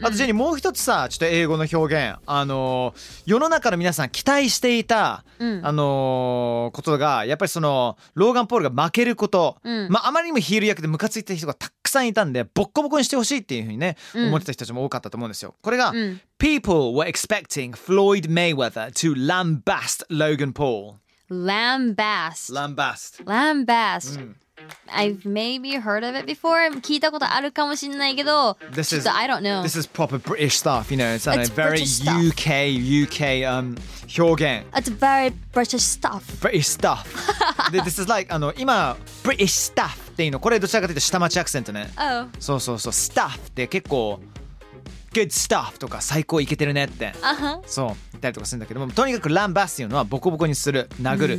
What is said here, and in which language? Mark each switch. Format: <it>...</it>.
<ja>あとジェニーもう一つさ、ちょっと英語の表現、あの世の中の皆さん期待していた、うん、あのことがやっぱりそのローガン・ポールが負けること、うん、まあまりにもヒール役でムカついた人がたくさんいたんでボッコボコにしてほしいっていうふうにね、うん、思ってた人たちも多かったと思うんですよ。</ja> <en>これが、うん、 People were expecting Floyd Mayweather to lambast Logan Paul. Lambast. Lambast. Lambast.、うん、I've maybe heard of it before.</en> <ja>聞いたことあるかもしれないけど、</ja> <en>this is, I don't know. This is proper British stuff, you know. It's, it's very UK, UK, 表現。 It's very British stuff. British stuff.</en> <ja>This is like, あの今 British stuff っていうの、これどちらかというと下町アクセントね。</ja> <en>Oh.</en> <ja>そうそうそう、stuff って結構 good stuff とか最高イケてるねって。</ja> <en>Uh-huh.</en> <ja>そう言ったりとかするんだけども、とにかく lambast っていうのはボコボコにする、殴る。</ja>